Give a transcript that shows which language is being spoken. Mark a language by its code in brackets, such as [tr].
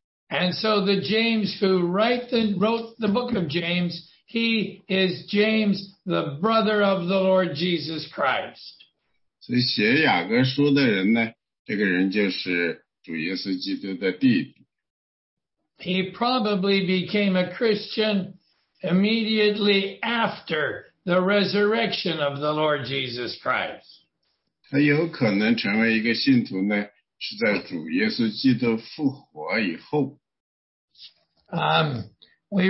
[en] And so the James who wrote the book of James, he is James, the brother of the Lord Jesus Christ. [zh] 所以写雅各书的人呢， 这个人就是主耶稣基督的弟弟。 [en] He probably became a Christian immediately after the resurrection of the Lord Jesus Christ. [zh] 他有可能成为一个信徒呢，是在主耶稣基督复活以后。 [en] We